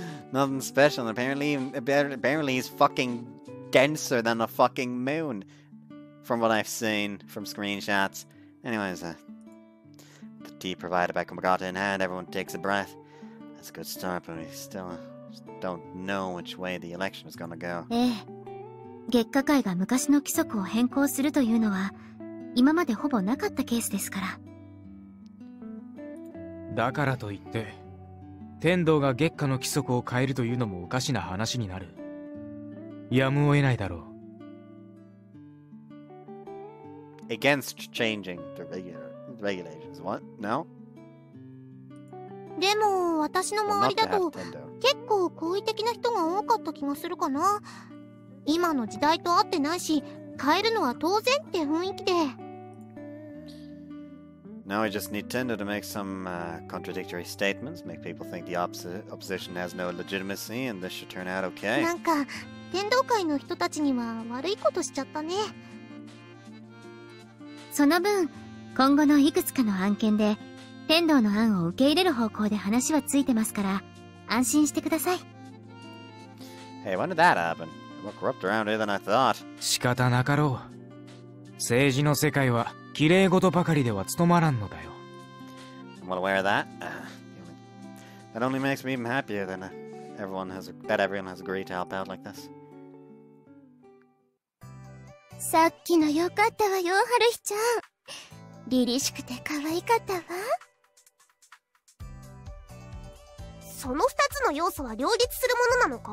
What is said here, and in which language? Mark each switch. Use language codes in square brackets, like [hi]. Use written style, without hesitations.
[en] Nothing special. Apparently he's fucking denser than a fucking moon. From what I've seen from screenshots. Anyways, the tea provided by Kumagata in hand, everyone takes a breath. That's a good start, but we still don't know which way the election is gonna go. [ja] ええ。月下会が昔の規則を変更するというのは、今までほぼなかったケースですから。だからといって、天道が月下の規則を変えるというのもおかしな話になる。やむを得ないだろう。 [en] Against changing the regulations. What? No? [ja] でも私の周りだと結構好意的な人が多かった気がするかな。今の時代と合ってないし、変えるのは当然って雰囲気で。 [en] Now I just need Tendo to make some contradictory statements, make people think the opposition has no legitimacy and this should turn out okay. [ja] なんか、天道会の人たちには悪いことしちゃったね。その分、今後のいくつかの案件で、天道の案を受け入れる方向で話はついてますから、安心してください。 [en] Hey, when did that happen? I'm more corrupt around here than I thought. [ja] 仕方なかろう。政治の世界は、綺麗事ばかりでは務まらんのだよ。 [en] I'm well aware of that. That only makes me even happier than everyone has agreed to help out like this. [ja] さっきの良かったわよ、春日ちゃん。リリしくて可愛かったわ。その二つの要素は両立するものなのか？